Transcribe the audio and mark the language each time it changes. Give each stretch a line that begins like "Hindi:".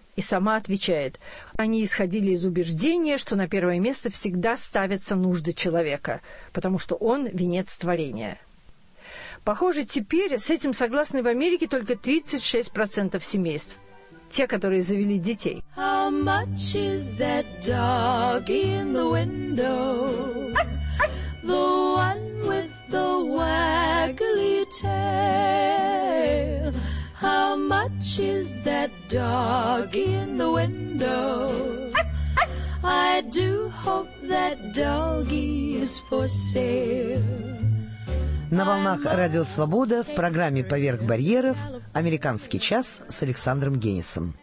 Russian: И сама отвечает, они исходили из убеждения, что на первое место всегда ставятся нужды человека, потому что он венец творения. Похоже, теперь с этим согласны в Америке только 36% семейств. Те, которые завели детей.
English: How much is that dog in the window? The one with the waggly tail. How much is that dog in the window? I do hope that doggie is for sale.
Russian: На волнах «Радио Свобода» в программе «Поверх барьеров» «Американский час» с Александром Генисом.